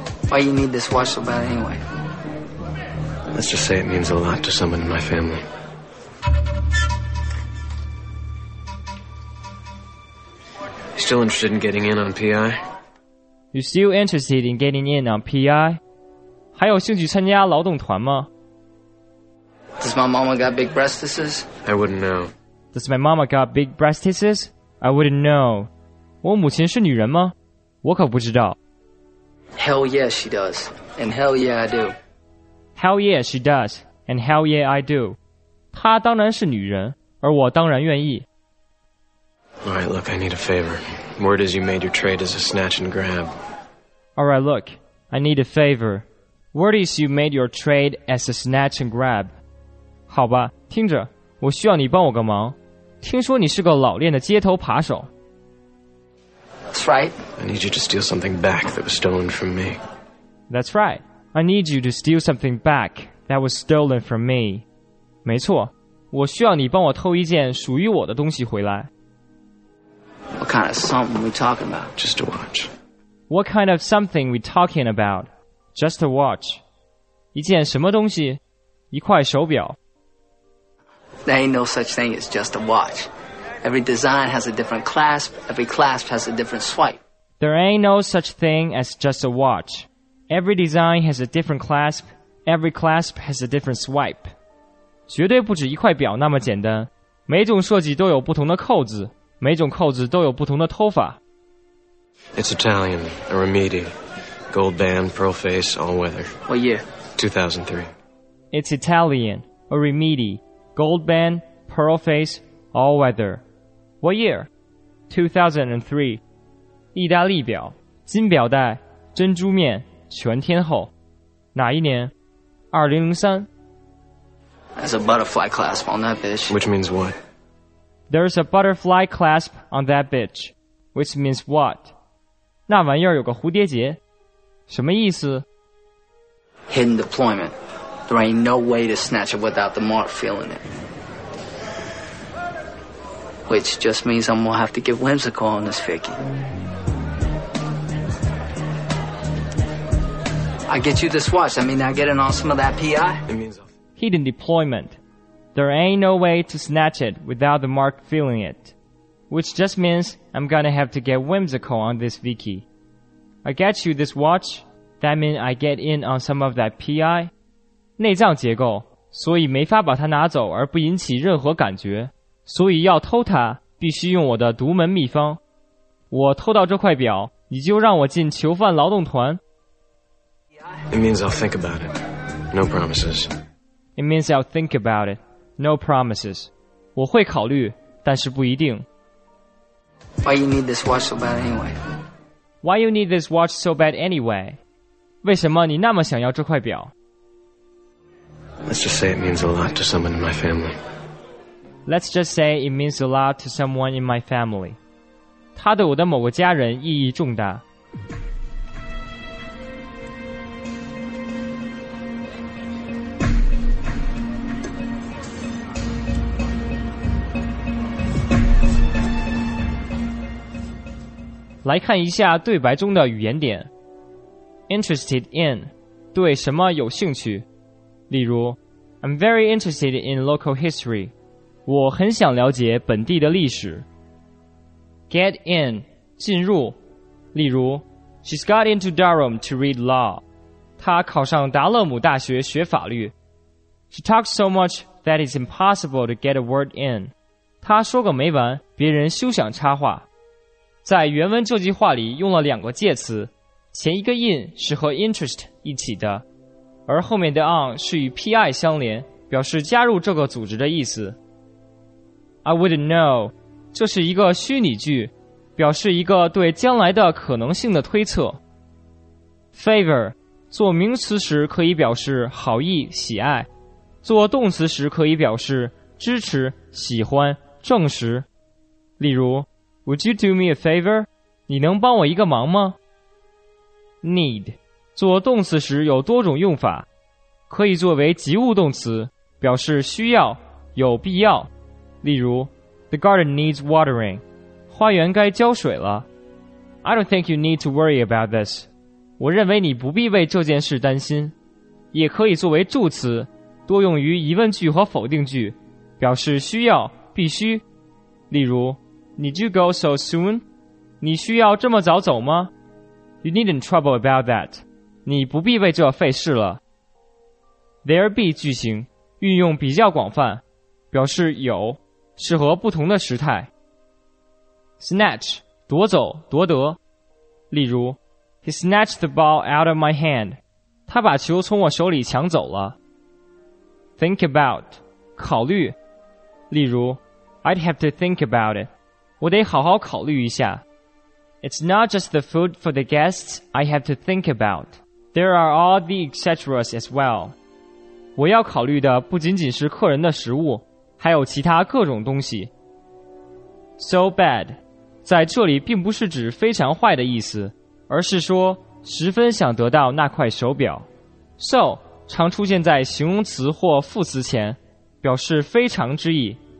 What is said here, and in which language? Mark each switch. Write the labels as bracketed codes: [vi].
[en] Why you need this watch so bad anyway? Let's just say it means a lot to someone in my family. Still interested in getting in on PI? You still interested in getting in on PI? [zh] 还有兴趣参加劳动团吗？ [en] Does my mama got big breastises? I wouldn't know. Does my mama got big breastises? I wouldn't know. [zh] 我母亲是女人吗？我可不知道。 [en] Hell yeah she does. And hell yeah I do. Hell yeah she does. And hell yeah I do. [zh] 她当然是女人，而我当然愿意。 [en] Alright, look, I need a favor. Word is you made your trade as a snatch and grab. Alright, look, I need a favor. Word is you made your trade as a snatch and grab. [zh] 好吧，听着，我需要你帮我个忙。听说你是个老练的街头扒手。 [en] That's right. I need you to steal something back that was stolen from me. That's right. I need you to steal something back that was stolen from me. [zh] 没错，我需要你帮我偷一件属于我的东西回来。 [en] What kind of something we talking about? Just a watch. What kind of something we talking about? Just a watch. [zh] 一件什么东西？一块手表。 [en] There ain't no such thing as just a watch. Every design has a different clasp. Every clasp has a different swipe. There ain't no such thing as just a watch. Every design has a different clasp. Every clasp has a different swipe. [zh] 绝对不止一块表那么简单。每种设计都有不同的扣子。每种扣子都有不同的偷法。 [en] It's Italian, a Remedi. Gold band, pearl face, all weather. What year? 2003. It's Italian, a Remedi. Gold band, pearl face, all weather. What year? 2003. [zh] 意大利表，金表带，珍珠面，全天候。哪一年？2003。 [en] There's a butterfly clasp on that bitch. Which means what? There's a butterfly clasp on that bitch, which means what? [zh] 那玩意儿有个蝴蝶结，什么意思？ [en] Hidden deployment. There ain't no way to snatch it without the mark feeling it. Which just means I'm gonna have to give Wims a call on this Vicky. I get you this watch. I mean, I get in on some of that PI. Hidden deployment. There ain't no way to snatch it without the mark feeling it. Which just means I'm gonna have to get whimsical on this Vicky. I get you this watch, that means I get in on some of that PI. [zh] 内脏结构，所以没法把它拿走而不引起任何感觉。所以要偷它，必须用我的独门秘方。我偷到这块表，你就让我进囚犯劳动团。 [en] It means I'll think about it. No promises. It means I'll think about it. No promises. [zh] 我会考虑，但是不一定。 [en] Why you need this watch so bad anyway? Why you need this watch so bad anyway? [zh] 为什么你那么想要这块表？ [en] Let's just say it means a lot to someone in my family. Let's just say it means a lot to someone in my family. [zh] 它对我的某个家人意义重大。来看一下对白中的语言点。 [en] Interested in, [zh] 对什么有兴趣。例如 [en] I'm very interested in local history. [zh] 我很想了解本地的历史。 [en] Get in, [zh] 进入。例如 [en] She's got into Durham to read law. [zh] 她考上达勒姆大学学法律。 [en] She talks so much that it's impossible to get a word in. [zh] 她说个没完，别人休想插话。在原文这句话里用了两个介词，前一个 in 是和 interest 一起的，而后面的 on 是与 PI 相连，表示加入这个组织的意思。 [en] I wouldn't know [zh] 这是一个虚拟句，表示一个对将来的可能性的推测。 favor 做名词时可以表示好意、喜爱，做动词时可以表示支持、喜欢、证实。例如 [en] Would you do me a favor? [zh] 你能帮我一个忙吗？ Need 做动词时有多种用法，可以作为及物动词，表示需要、有必要。 [en] 例如 The garden needs watering. [zh] 花园该浇水了。 [en] I don't think you need to worry about this. [zh] 我认为你不必为这件事担心。也可以作为助词，多用于疑问句和否定句，表示需要、必须。例如 [en] Need you go so soon? [zh] 你需要这么早走吗？ [en] You needn't trouble about that. [zh] 你不必为这费事了。 There be 句型运用比较广泛，表示有，适合不同的时态。 Snatch 夺走、夺得。 [en] 例如 He snatched the ball out of my hand. [zh] 他把球从我手里抢走了。 [en] Think about [zh] 考虑。例如 [en] I'd have to think about it. [zh] 我得好好考虑一下。 [en] It's not just the food for the guests I have to think about. There are all the etceteras as well. [zh] 我要考虑的不仅仅是客人的食物，还有其他各种东西。 So bad, 在这里并不是指非常坏的意思，而是说十分想得到那块手表。 So, 常出现在形容词或副词前，表示非常之意。